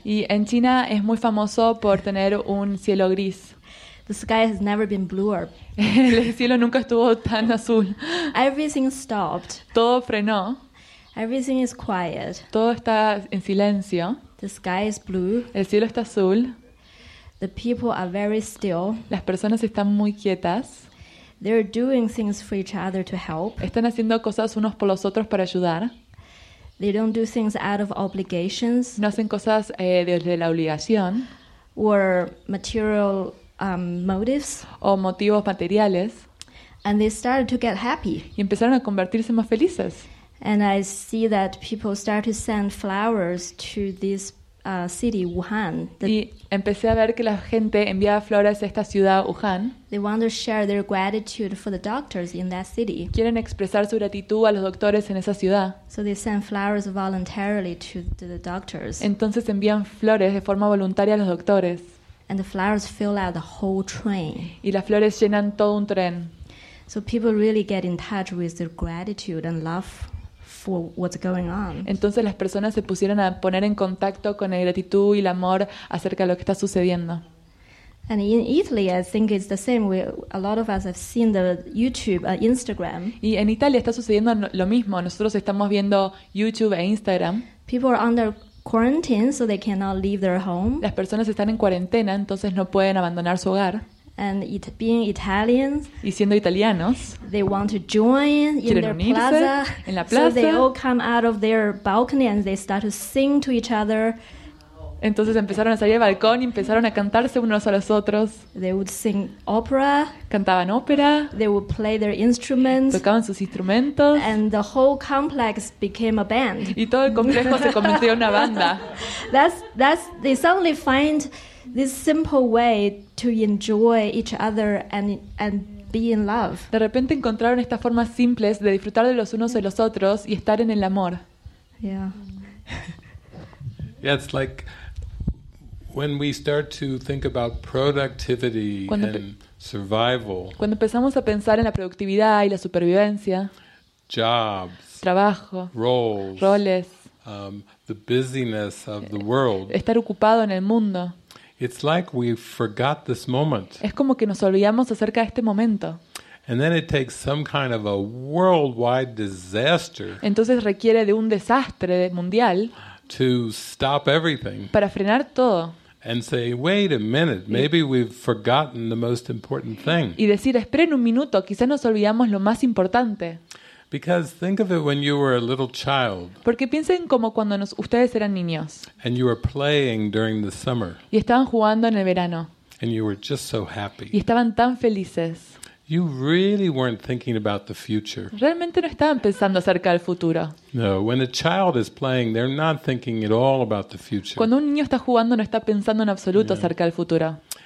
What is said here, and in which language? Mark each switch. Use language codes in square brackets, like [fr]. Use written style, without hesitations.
[es] Y en China es muy famoso por tener un cielo gris. [en] The sky has never been bluer. [es] El cielo nunca estuvo tan azul. [en] Everything stopped. [es] Todo frenó. [en] Everything is quiet. [es] Todo está en silencio. [en] The sky is blue. [es] El cielo está azul. [en] The people are very still. [es] Las personas están muy quietas. [en] They're doing things for each other to help. [es] Están haciendo cosas unos por los otros para ayudar. [en] They don't do things out of obligations. [es] No hacen cosas desde la obligación. [en] Or material motives. [es] O motivos materiales. [en] And they started to get happy. [es] Y empezaron a convertirse más felices. [en] And I see that people start to send flowers to this city, Wuhan. [es] Y empecé a ver que la gente enviaba flores a esta ciudad, Wuhan. [en] They want to share their gratitude for the doctors in that city. [es] Quieren expresar su gratitud a los doctores en esa ciudad. [en] So they send flowers voluntarily to the doctors. [es] Entonces envían flores de forma voluntaria a los doctores. [en] And the flowers fill out the whole train. [es] Y las flores llenan todo un tren. [en] So people really get in touch with their gratitude and love for what's going on. [es] Entonces las personas se pusieron a poner en contacto con la gratitud y el amor acerca de lo que está sucediendo. [en] And in Italy, I think it's the same. A lot of us have seen the YouTube, Instagram. [es] Y en Italia está sucediendo lo mismo. Nosotros estamos viendo YouTube e Instagram. [en] People are under quarantine, so they cannot leave their home. [es] Las personas están en cuarentena, entonces no pueden abandonar su hogar. [en] And being Italians, [es] y siendo italianos, [en] they want to join in their plaza. [es] En la plaza. [en] So they all come out of their balcony and they start to sing to each other. [es] Entonces empezaron a salir al balcón y empezaron a cantarse unos a los otros. [en] They would sing opera. [es] Cantaban ópera. [en] They would play their instruments. [es] Tocaban sus instrumentos. [en] And the whole complex became a band. [es] Y todo el complejo se convirtió en una banda. [en] That's they suddenly find this simple way to enjoy each other and be in love. [es] De repente encontraron estas formas simples de disfrutar de los unos de los otros y estar en el amor. [en] Yeah. Yeah, it's like when we start to think about productivity and survival. [es] Cuando empezamos a pensar en la productividad y la supervivencia. [en] jobs, [es] trabajo, [en] roles, [es] roles, [en] the busyness of the world. [es] Estar ocupado en el mundo. [en] It's like we forgot this moment. [es] Es como que nos olvidamos acerca de este momento. [en] And then it takes some kind of a worldwide disaster. [es] Entonces requiere de un desastre mundial. [en] To stop everything. [es] Para frenar todo. [en] And say, wait a minute, maybe we've forgotten the most important thing. [es] Y decir, esperen un minuto, quizás nos olvidamos lo más importante. [en] Because think of it when you were a little child. [es] Porque piensen como cuando ustedes eran niños. [en] And you were playing during the summer. [es] Y estaban jugando en el verano. [en] And you were just so happy. [es] Y estaban tan felices. [en] You really weren't thinking about the future. [es] Realmente no estaban pensando acerca del futuro. [en] No, when a child is playing, they're not thinking at all about the future. [es] Cuando un niño está jugando, no está pensando en absoluto acerca del futuro.